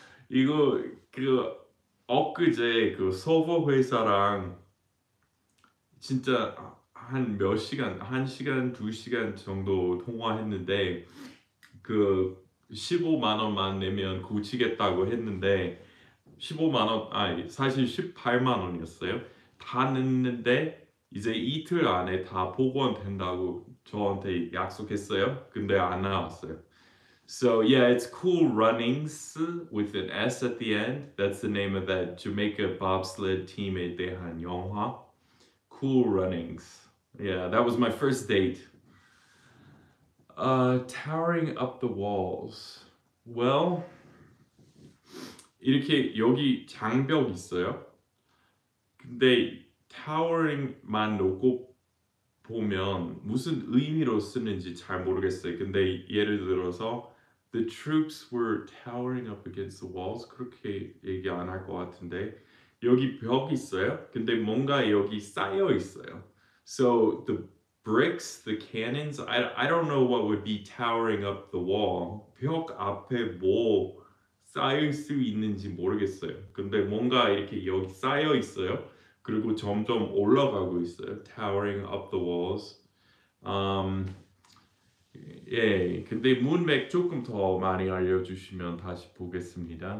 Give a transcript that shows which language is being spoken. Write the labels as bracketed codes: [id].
[ko] 이거 그 엊그제 그 서버 회사랑 진짜 한 몇 시간, 한 시간, 두 시간 정도 통화했는데 그 15만 원만 내면 고치겠다고 했는데 15만 원, 아니 사실 18만 원이었어요. 다 냈는데 이제 이틀 안에 다 복원된다고 저한테 약속했어요. 근데 안 나왔어요. [en] So yeah, it's Cool Runnings with an S at the end. That's the name of that Jamaica bobsled team 에 대한 영화. Cool Runnings. Yeah, that was my first date. Towering up the walls. [ko] Well, 이렇게 여기 장벽 있어요. 근데 towering만 놓고 보면 무슨 의미로 쓰는지 잘 모르겠어요. 근데 예를 들어서 the troops were towering up against the walls 그렇게 얘기 안 할 것 같은데 여기 벽 있어요. 근데 뭔가 여기 쌓여 있어요. [en] So the bricks, the cannons, I don't know what would be towering up the wall. [ko] 벽 앞에 뭐 쌓여 있을 수 있는지 모르겠어요. 근데 뭔가 이렇게 여기 쌓여 있어요. 그리고 점점 올라가고 있어요. [en] Towering up the walls. [ko] 예, 근데 문맥 조금 더 많이 알려주시면 다시 보겠습니다.